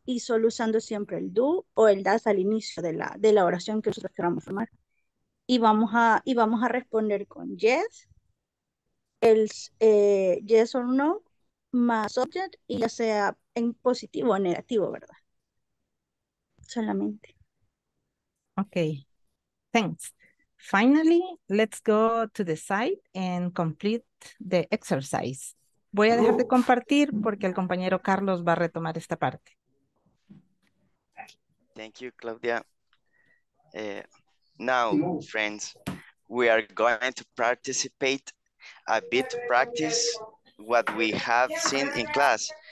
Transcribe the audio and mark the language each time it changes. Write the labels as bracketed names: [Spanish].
[Spanish] Y solo usando siempre el do o el das al inicio de la oración que nosotros queramos formar. Y vamos a responder con yes, yes or no, más subject, y ya sea en positivo o negativo, ¿verdad? Solamente. [English] Okay, thanks. Finally, let's go to the site and complete the exercise. [Spanish] Voy a dejar de compartir porque el compañero Carlos va a retomar esta parte. [English] Thank you, Claudia. Now, friends, we are going to participate a bit to practice what we have seen in class.